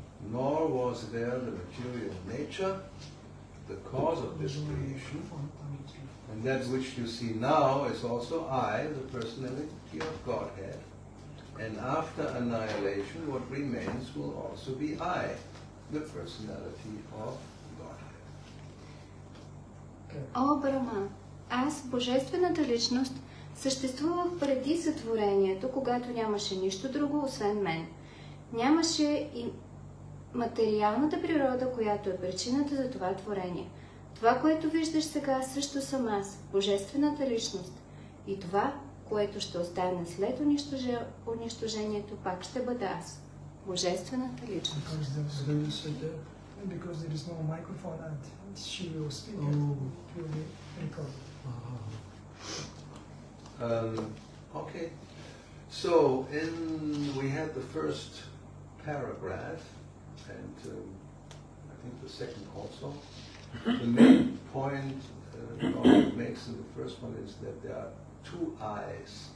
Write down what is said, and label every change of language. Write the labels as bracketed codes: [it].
[en] Nor was there the material nature, the cause of this creation. And that which you see now is also I, the personality of Godhead. And after annihilation, what remains will also be I, the personality of Godhead. [bg] О, Брама, аз, Божествената личност, съществувах преди сътворението, когато нямаше нищо друго, освен мен. Нямаше и материалната природа, която е причината за това творение. Това, което виждаш сега, също съм аз, Божествената личност. И това, което ще остане след унищожението, пак ще бъда аз, Божествената личност. [en] Because there is no microphone and she will speak it will be recorded. Okay. So, in we had the first paragraph. And I think the second also. The main point God makes in the first one is that there are two I's.